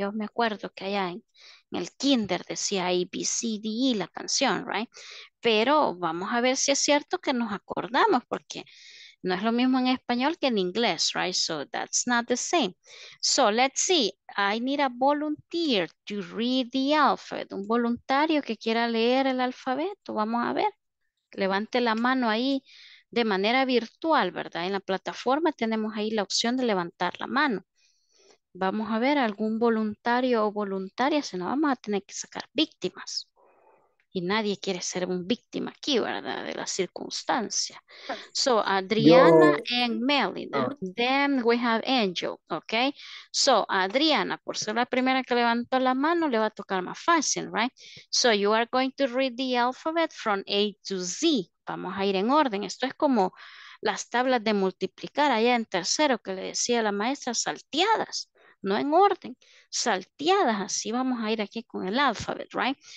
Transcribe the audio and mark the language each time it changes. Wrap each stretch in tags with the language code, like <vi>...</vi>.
<es>Yo me acuerdo que allá en el kinder decía A, B, C, D, E, la canción, right? Pero vamos a ver si es cierto que nos acordamos porque... no es lo mismo en español que en inglés, right?</es> <en>So that's not the same. So let's see. I need a volunteer to read the alphabet.</en> <es>Un voluntario que quiera leer el alfabeto. Vamos a ver. Levante la mano ahí de manera virtual, ¿verdad? En la plataforma tenemos ahí la opción de levantar la mano. Vamos a ver algún voluntario o voluntaria. Si no, vamos a tener que sacar víctimas. Y nadie quiere ser un víctima aquí, ¿verdad? De la circunstancia. So, Adriana and Melinda.</es> <en>Then we have Angel,</en> <es>¿ok? So, Adriana, por ser la primera que levantó la mano, le va a tocar más fácil, ¿right?</es> <en>So, you are going to read the alphabet from A to Z.</en> <es>Vamos a ir en orden. Esto es como las tablas de multiplicar allá en tercero que le decía la maestra, salteadas. No en orden, salteadas, así vamos a ir aquí con el alphabet, right?</es>